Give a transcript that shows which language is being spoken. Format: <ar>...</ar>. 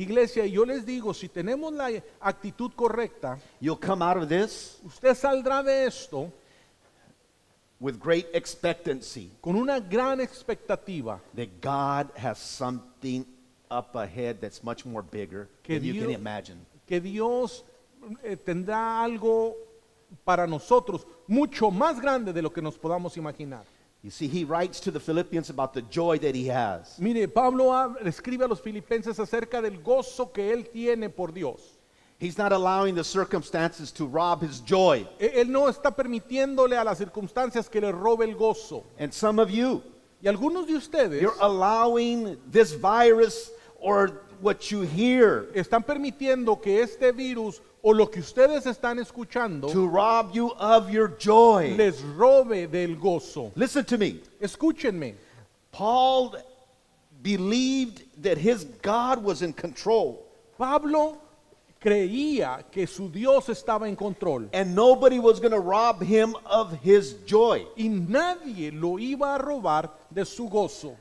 <es>iglesia, yo les digo, si tenemos la actitud correcta,</es> <en>you'll come out of this,</en> <es>usted saldrá de esto,</es> <en>with great expectancy,</en> <es>con una gran expectativa,</es> <en>that God has something up ahead that's much more bigger than you can imagine.</en> <es>Que Dios tendrá algo para nosotros mucho más grande de lo que nos podamos imaginar.</es> <en>You see, he writes to the Philippians about the joy that he has.</en> <es>Mire, Pablo escribe a los filipenses acerca del gozo que él tiene por Dios.</es> <en>He's not allowing the circumstances to rob his joy.</en> <es>Él no está permitiéndole a las circunstancias que le robe el gozo.</es> <en>And some of you,</en> <es>y algunos de ustedes,</es> <en>you're allowing this virus or what you hear,</en> <es>están permitiendo que este virus o lo que ustedes están escuchando,</es> <en>to rob you of your joy,</en> <es>les robe del gozo.</es> <en>Listen to me.</en> <es>Escúchenme.</es> <en>Paul believed that his God was in control.</en> <es>Pablo creía que su Dios estaba en control.</es> <en>And nobody was going to rob him of his joy.</en> <es>Y nadie lo iba a robar de su gozo.</es>